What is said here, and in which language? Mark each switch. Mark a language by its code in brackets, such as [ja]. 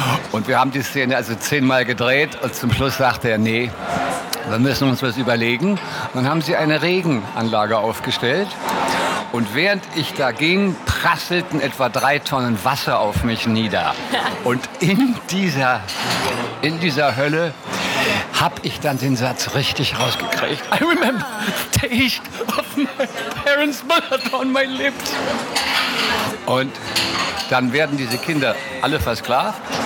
[de] Und wir haben die Szene also 10-mal gedreht und zum Schluss sagte er, nee, wir müssen uns was überlegen. Und dann haben sie eine Regenanlage aufgestellt. Und während ich da ging, prasselten etwa 3 Tonnen Wasser auf mich nieder. Und in dieser Hölle habe ich dann den Satz richtig rausgekriegt. [en] I remember the taste of my parents' blood on my lips. [de] Und dann werden diese Kinder alle versklavt.